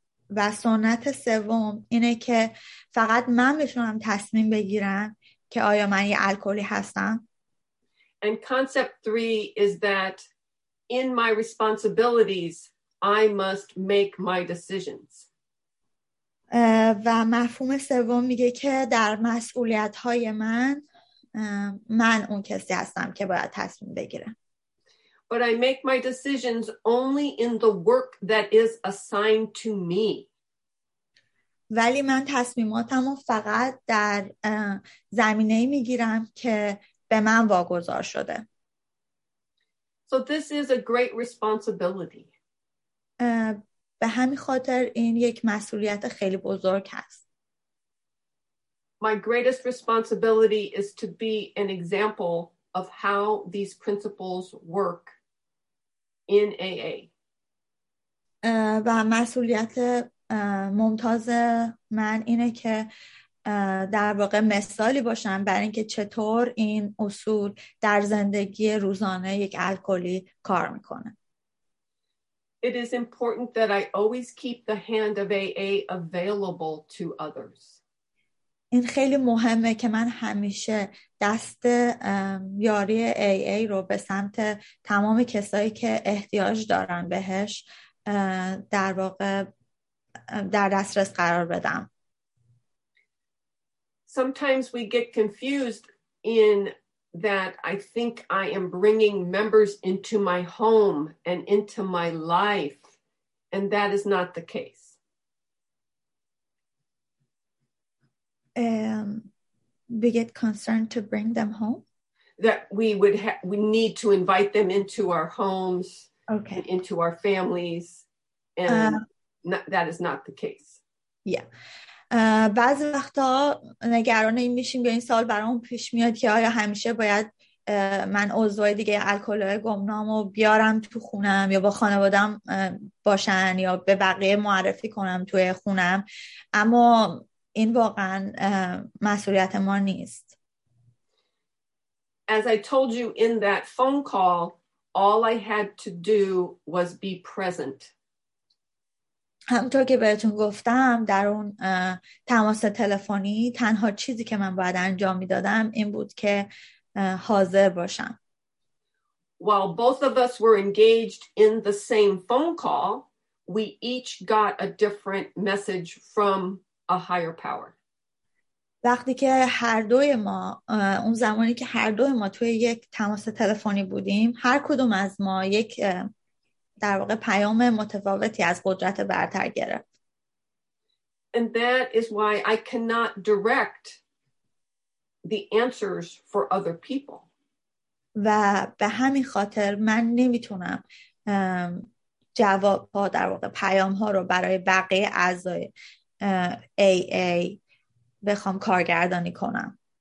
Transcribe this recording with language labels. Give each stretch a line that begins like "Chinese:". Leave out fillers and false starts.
Persian: و سنت سوم اینه که فقط من میتونم تصمیم بگیرم که آیا من یه الکلی هستم.
English: And concept 3 is that in my responsibilities, I must make my decisions.
Persian: و مفهوم سوم میگه که در مسئولیت‌های من اون کسی هستم که باید تصمیم بگیرم.
English: But I make my decisions only in the work that is assigned to me.
Persian: ولی من تصمیماتمو فقط در زمینه‌ای میگیرم که به من واگذار شده.
English: So this is a great responsibility.
Persian: به همین خاطر این یک مسئولیت خیلی بزرگ است.
English: My greatest responsibility is to be an example of how these principles work in AA.
Persian: و مسئولیت ممتاز من اینه که در واقع مثالی باشم برای اینکه چطور این اصول در زندگی روزانه یک الکلی کار میکنه.
English: It is important that I always keep the hand of AA available to others.
Persian: این خیلی مهمه که من همیشه دست یاری AA رو به سمت تمام کسایی که احتیاج دارن بهش در واقع در دسترس قرار بدم.
English: Sometimes we get confused in that I think I am bringing members into my home and into my life, and that is not the case. We get concerned to bring them home? That we need to invite them into our homes, okay, and into our families, and that is not the case. Yeah.
Persian: بعضی وقتا نگران این میشیم یا این سال برام پیش میاد که آیا همیشه باید من عضو دیگه الکلی گمنامو بیارم تو خونم یا با خانوادم باشن یا به بقیه معرفی کنم توی خونم، اما این واقعا مسئولیت ما نیست.
English: As I told you in that phone call, all I had to do was be present.
Persian: همونطور که بهتون گفتم در اون تماس تلفنی تنها چیزی که من باید انجام میدادم این بود که حاضر باشم.
English: While both of us were engaged in the same phone call, we each got a different message from a higher power.
Persian: وقتی که هر دوی ما اون زمانی که هر دوی ما توی یک تماس تلفنی بودیم، هر کدوم از ما یک در واقع پیام متفاوتی از قدرت برتر گرفت.
English: And that is why I cannot direct the answers for other people.
Persian: و به همین خاطر من نمیتونم جواب ها در واقع پیام ها رو برای بقیه اعضای AA بخوام کارگردانی کنم.